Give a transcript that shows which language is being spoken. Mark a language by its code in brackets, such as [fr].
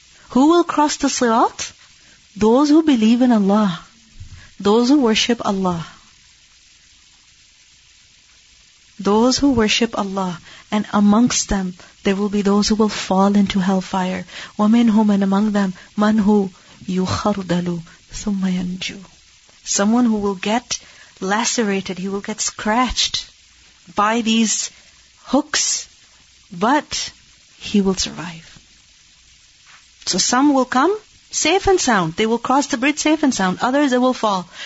[en] Who will cross the sirat? Those who believe in Allah. Those who worship Allah. Those who worship Allah. And amongst them, there will be those who will fall into hellfire. [ar] وَمِنْهُمْ [en] and among them, [ar] مَنْ هُوْ يُخَرْدَلُ ثُمَّ يَنْجُو. [en] Someone who will get lacerated, he will get scratched by these hooks, but he will survive. So some will come safe and sound. They will cross the bridge safe and sound. Others, they will fall.